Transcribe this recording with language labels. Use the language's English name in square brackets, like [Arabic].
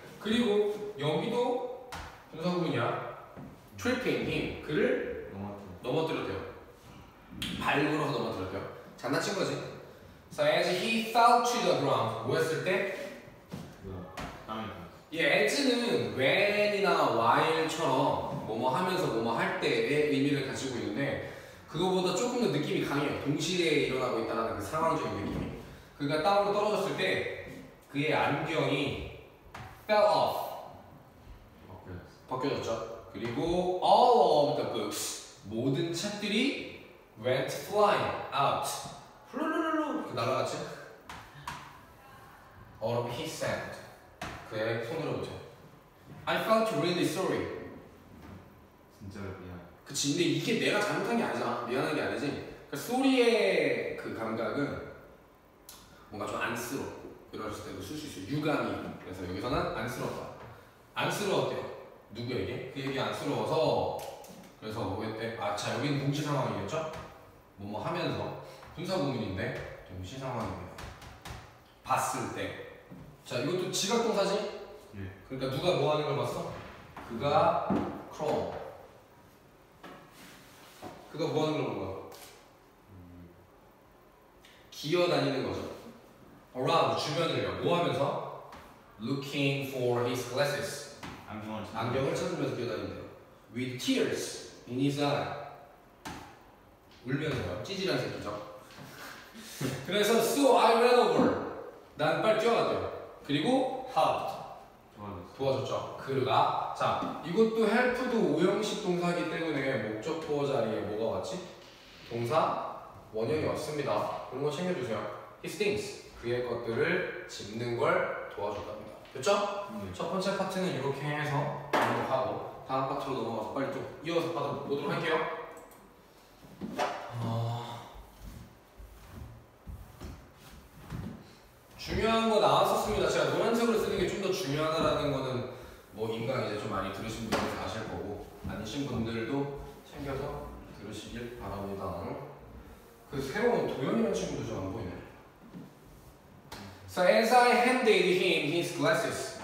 [Korean] 그리고 여기도 분사 구문이야. [English] tripping him. [Korean] 그를 넘어뜨렸대요. 발굴어서 넘어뜨렸대요. 장난친 거지. [English] So as he fell to the ground. [Korean] 뭐 했을 때? 예, as는 when이나 while처럼 뭐뭐 하면서 뭐뭐 할 때의 의미를 가지고 있는데 그거보다 조금 더 느낌이 강해요. 동시에 일어나고 있다는 그 상황적인 느낌이. 그가 땅으로 떨어졌을 때 그의 안경이 [English] fell off. [Korean] 벗겨졌죠. 그리고 [English] all of the books. [Korean] 모든 책들이 [English] went flying out. [Korean] 훌루루루루 이렇게 날아갔지? [English] All of his hand. [Korean] 그의 손으로 보죠. [English] I felt really sorry. [Korean] 진짜로 미안해. 그치, 근데 이게 내가 잘못한 게 아니잖아. 미안한 게 아니지. 그 sorry의 그 감각은 뭔가 좀 안쓰럽고 이럴 때도 쓸 수 있어요. 유감이. 그래서 여기서는 안쓰럽다. 안쓰러웠대요. 누구에게? 그에게 안쓰러워서 그래서 뭐 했대? 아, 자, 여기는 동시 상황이겠죠? 뭐뭐 하면서 분사 구문인데 동시 상황입니다. 봤을 때. 자, 이것도 지각동사지? 예. 그러니까 누가 뭐 하는 걸 봤어? 그가 crawl. 그가 뭐 하는 걸 본 거야? 기어 다니는 거죠. Around, 주변을요. 뭐 하면서? [English] Looking for his glasses. [Korean] 안경을 찾는 안경을 찾으면서 기어 다닌대요. [English] With tears in his eye. [Korean] 울면서요. 찌질한 새끼죠. 그래서 [English] so I ran over. [Korean] 난 빨리 뛰어갔대요. 그리고 helped. 도와줬죠. 그가. 자, 이것도 help도 오형식 동사이기 때문에 목적 보호 자리에 뭐가 왔지? 동사 원형이 왔습니다. 그런 거 챙겨주세요. [English] His things. [Korean] 그의 것들을 짚는 걸 도와줬답니다. 됐죠? 첫 번째 파트는 이렇게 해서 공부하고 다음 파트로 넘어가서 빨리 좀 이어서 받아보도록 할게요. 중요한 거 나왔었습니다. 제가 노란색으로 쓰는 게 좀 더 중요하다라는 거는 뭐 인강 이제 좀 많이 들으신 분들도 아실 거고 아니신 분들도 챙겨서 들으시길 바랍니다. 그 새로운 도현이라는 친구도 좀 안 보이네. [English] So as I handed him his glasses.